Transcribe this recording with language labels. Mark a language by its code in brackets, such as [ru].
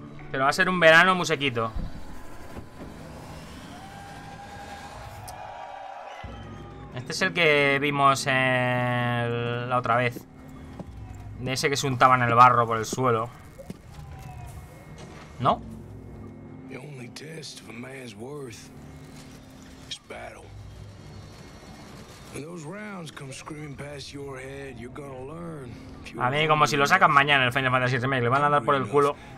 [es] Pero va a ser un verano muy sequito. Este es el que vimos la otra vez. De ese que se untaba en el barro por el suelo. No. [en] The only test of a man's worth is battle. When those rounds come screaming past your head, you're gonna learn. [es] A mí como si lo sacan mañana el Final Fantasy VII, le van a dar por el culo.